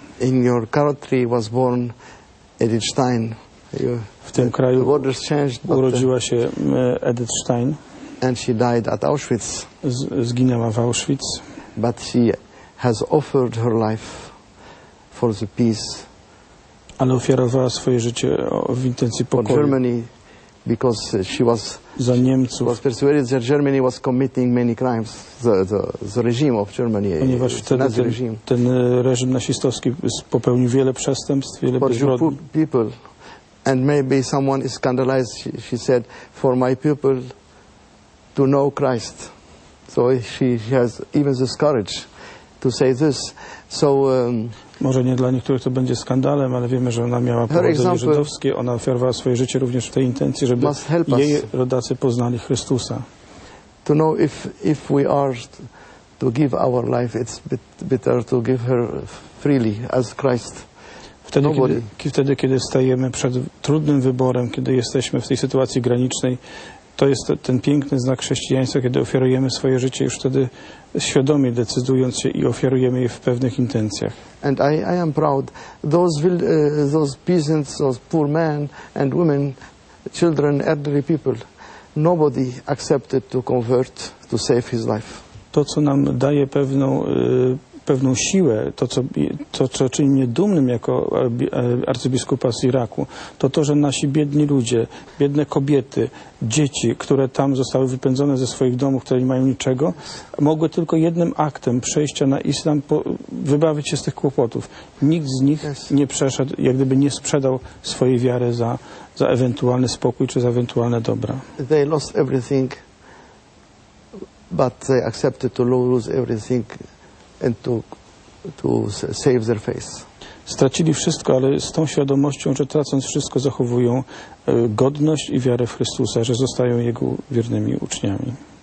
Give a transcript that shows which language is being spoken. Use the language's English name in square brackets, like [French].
[English] In your country was born Edith Stein. [Polish] W tym kraju urodziła się Edith Stein. [English] And she died at Auschwitz. [Polish] Zginęła w Auschwitz. [English] But she has offered her life for the peace. [Polish] Ale ofiarowała swoje życie w intencji pokoju. [English] For Germany, because she was [Polish] za Niemców. [English] Was persuaded that Germany was committing many crimes. The regime of Germany. [Polish] Ponieważ wtedy ten reżim nazistowski popełnił wiele przestępstw, wiele bezbrodni. [English] And maybe someone is scandalized, she said, for my people to know Christ. So she has even this courage to say this. So [Polish] może nie dla niektórych to będzie skandalem, ale wiemy, że ona miała pochodzenie żydowskie. Ona ofiarowała swoje życie również w tej intencji, żeby jej rodacy poznali Chrystusa. [English] To know if we are to give our life, it's better to give her freely as Christ. [Polish] Wtedy, kiedy stajemy przed trudnym wyborem, kiedy jesteśmy w tej sytuacji granicznej, to jest ten piękny znak chrześcijaństwa, kiedy ofiarujemy swoje życie już wtedy świadomie decydując się i ofiarujemy je w pewnych intencjach. [English] And I am proud. Those peasants, those poor men and women, children, elderly people, nobody accepted to convert to save his life. [Polish] To, co nam daje pewną pewną siłę, to co czyni mnie dumnym jako arcybiskupa z Iraku, to to, że nasi biedni ludzie, biedne kobiety, dzieci, które tam zostały wypędzone ze swoich domów, które nie mają niczego, mogły tylko jednym aktem przejścia na islam wybawić się z tych kłopotów. Nikt z nich nie przeszedł, jak gdyby nie sprzedał swojej wiary za ewentualny spokój czy za ewentualne dobra. [English] They lost everything. But they accepted to lose everything and to save their face. [Polish] Stracili wszystko, ale z tą świadomością, że tracąc wszystko, zachowują godność i wiarę w Chrystusa, że zostają Jego wiernymi uczniami.